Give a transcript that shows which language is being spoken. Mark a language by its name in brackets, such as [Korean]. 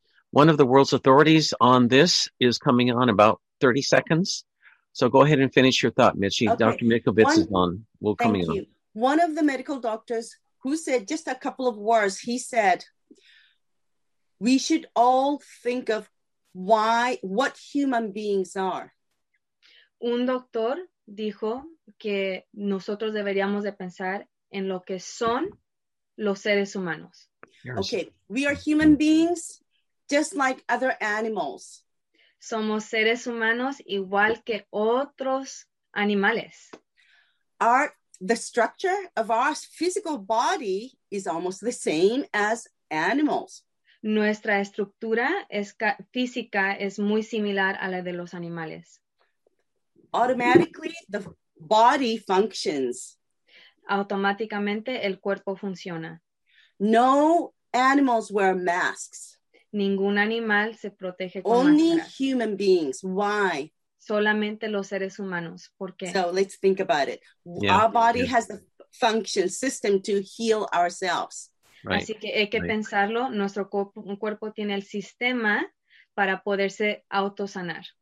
[English] One of the world's authorities on this is coming on about 30 seconds. So go ahead and finish your thought, Mitchie. Okay. Dr. Mikovits is on. We'll come in. Thank you. One of the medical doctors who said just a couple of words, he said, we should all think of what human beings are. [Spanish] Un doctor dijo que nosotros deberíamos de pensar en lo que son los seres humanos. [English] Okay, we are human beings just like other animals. [Spanish] Somos seres humanos igual que otros animales. [English] The structure of our physical body is almost the same as animals. [Spanish] Nuestra estructura física es muy similar a la de los animales. [English] Automatically, the body functions. [Spanish] Automáticamente, el cuerpo funciona. [English] No animals wear masks. [Spanish] Ningún animal se protege con [English] Only [Spanish] máscara. [English] Human beings. Why? [Spanish] Solamente los seres humanos. ¿Por qué? [English] So let's think about it. Yeah. Our body has the function system to heal ourselves. Right. [Spanish] Así que hay que pensarlo. Nuestro cuerpo tiene el sistema para poderse autosanar.